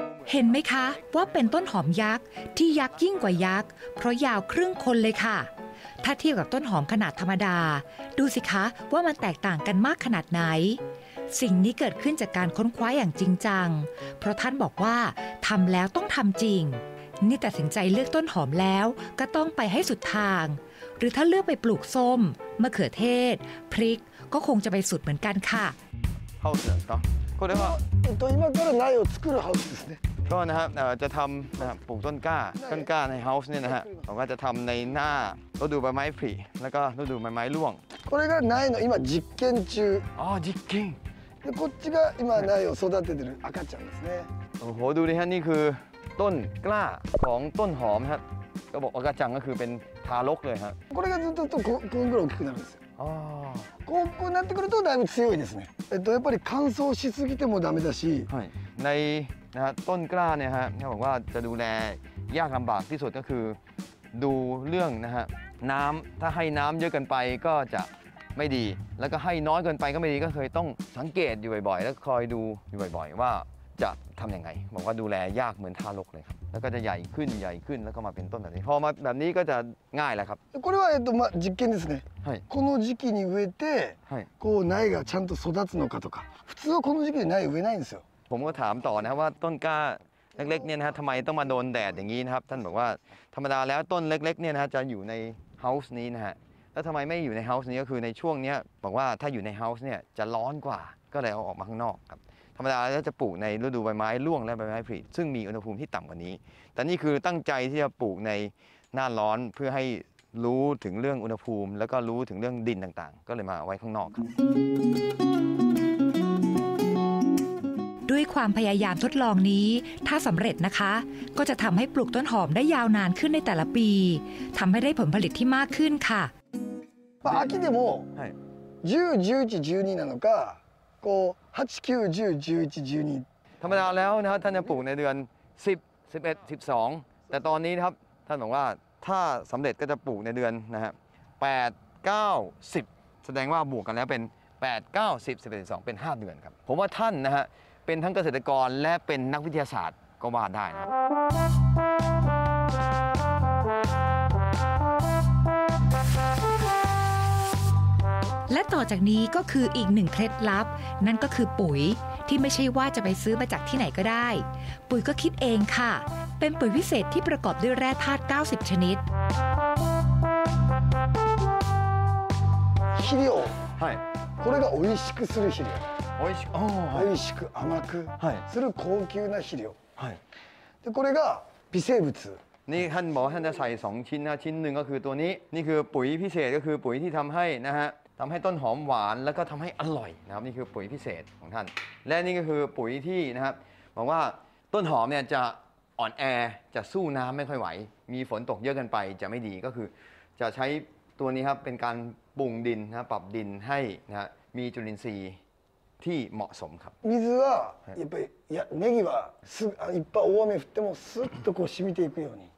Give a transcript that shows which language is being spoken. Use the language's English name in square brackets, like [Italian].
[Thai] เห็นไหมคะว่าเป็นต้นหอมยักษ์ที่ยักษ์ยิ่งกว่ายักษ์เพราะยาวครึ่งคนเลยค่ะถ้าเทียบกับต้นหอมขนาดธรรมดาดูสิคะว่ามันแตกต่างกันมากขนาดไหนสิ่งนี้เกิดขึ้นจากการค้นคว้าอย่างจริงจังเพราะท่านบอกว่าทำแล้วต้องทำจริงนี่ตัดสินใจเลือกต้นหอมแล้วก็ต้องไปให้สุดทางหรือถ้าเลือกไปปลูกส้มมะเขือเทศพริกก็คงจะไปสุดเหมือนกันค่ะ เฮ้าส์เนาะ [Japanese] これは今から苗を作るハウスですね [Thai] ก็นะครับจะทำนะครับปลูกต้นกล้าต้นกล้าในเฮ้าส์เนี่ยนะฮะผมก็จะทำในหน้าฤดูใบไม้ผลิแล้วก็ฤดูใบไม้ร่วง [Japanese] これが苗の今実験中อ๋อ実験でこっちが今苗を育ててる赤ちゃんですね โอ้โหดูดิฮะนี่คือต้นกล้าของต้นหอมฮะก็บอกอ 赤ちゃん ก็คือเป็นทารกเลยฮะ これがずっとこんぐらい大きくなるんですよอ๋อこうなってくるとだいぶ強いですねやっぱり乾燥しすぎてもダメだし [Thai] ในนะต้นกล้าเนี่ยฮะเขาบอกว่าจะดูแลยากลำบากที่สุดก็คือดูเรื่องนะฮะน้ำถ้าให้น้ำเยอะเกินไปก็จะไม่ดีแล้วก็ให้น้อยเกินไปก็ไม่ดีก็เคยต้องสังเกตอยู่บ่อยๆแล้วคอยดูอยู่บ่อยๆว่าจะทำยังไงบอกว่าดูแลยากเหมือนทารกเลยครับแล้วก็จะใหญ่ขึ้นใหญ่ขึ้นแล้วก็มาเป็นต้นแบบนี้พอมาแบบนี้ก็จะง่ายแล้วครับ [Japanese] これはまあ実験ですねこの時期に植えてこう苗がちゃんと育つのかとか普通はこの時期に苗植えないんですよ [Thai] ผมก็ถามต่อนะว่าต้นกล้าเล็กๆเนี่ยนะฮะทำไมต้องมาโดนแดดอย่างนี้นะครับท่านบอกว่าธรรมดาแล้วต้นเล็กๆเนี่ยนะฮะจะอยู่ในเฮ้าส์นี้นะฮะแล้วทำไมไม่อยู่ในเฮ้าส์นี้ก็คือในช่วงนี้บอกว่าถ้าอยู่ในเฮ้าส์เนี่ยจะร้อนกว่าก็เลยเอาออกมาข้างนอกครับธรรมดาแล้วจะปลูกในฤดูใบไม้ร่วงและใบไม้ผลิซึ่งมีอุณหภูมิที่ต่ำกว่านี้แต่นี่คือตั้งใจที่จะปลูกในหน้าร้อนเพื่อใ รู้ถึงเรื่องอุณหภูมิแล้วก็รู้ถึงเรื่องดินต่างๆก็เลยมาไว้ข้างนอกครับ ด้วยความพยายามทดลองนี้ถ้าสำเร็จนะคะก็จะทำให้ปลูกต้นหอมได้ยาวนานขึ้นในแต่ละปีทำให้ได้ผลผลิตที่มากขึ้นค่ะ [Japanese] ป่า秋でも10 11 12なのかこう8 9 10 11 12 [Thai] ธรรมดาแล้วนะครับท่านจะปลูกในเดือน10 11 12แต่ตอนนี้นะครับท่านบอกว่าถ้าสำเร็จก็จะปลูกในเดือนนะฮะ8 9 10แสดงว่าบวกกันแล้วเป็น8 9 10 11 12เป็น5เดือนครับผมว่าท่านนะฮะเป็นทั้งเกษตรกรและเป็นนักวิทยาศาสตร์ก็ว่าได้นะ และต่อจากนี้ก็คืออีกหนึ่งเคล็ดลับนั่นก็คือปุ๋ยที่ไม่ใช่ว่าจะไปซื้อมาจากที่ไหนก็ได้ปุ๋ยก็คิดเองค่ะเป็นปุ๋ยวิเศษที่ประกอบด้วยแร่ธาตุ90 ชนิด [Japanese] 肥料はいこれが美味しくする肥料美味しく美味しく甘くする高級な肥料はいでこれが微生物 [Thai] นี่ท่านบอกท่านจะใส่2ชิ้นนะชิ้นหนึ่งก็คือตัวนี้นี่คือปุ๋ยพิเศษก็คือปุ๋ยที่ทำให้นะฮะทำให้ต้นหอมหวานแล้วก็ทำให้อร่อยนะครับนี่คือปุ๋ยพิเศษของท่านและนี่ก็คือปุ๋ยที่นะครับบอกว่าต้นหอมเนี่ยจะอ่อนแอจะสู้น้ำไม่ค่อยไหวมีฝนตกเยอะกันไปจะไม่ดีก็คือจะใช้ตัวนี้ครับเป็นการปรุงดินนะปรับดินให้นะมีจุลินทรีย์ที่เหมาะสมครับ [Japanese] น้ำว่าやっぱりいやネギはすぐいっぱい大雨降ってもすっとこう染みていくように